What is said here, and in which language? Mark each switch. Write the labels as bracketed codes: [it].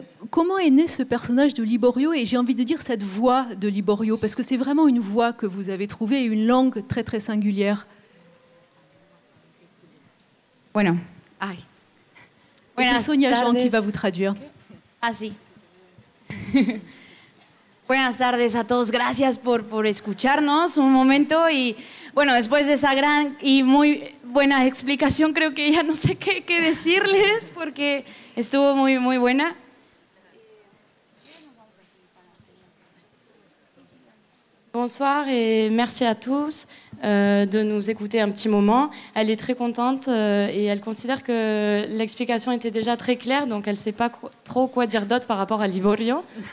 [fr] Comment est né ce personnage de Liborio et, j'ai envie de dire, cette voix de Liborio, parce que c'est vraiment une voix que vous avez trouvée et une langue très, très singulière. [es] Bueno. [fr] Ay. C'est Sonia [es] tardes. [fr] Jean qui va vous traduire. [es] Ah, si. Buenas tardes a todos, gracias por escucharnos un momento y bueno, después de esa gran y muy buena explicación creo que ya no sé qué decirles porque estuvo muy, muy buena. [fr] Bonsoir et merci à tous de nous écouter un petit moment. Elle est très contente et elle considère que l'explication était déjà très claire donc elle ne sait pas trop quoi dire d'autre par rapport à Liborio.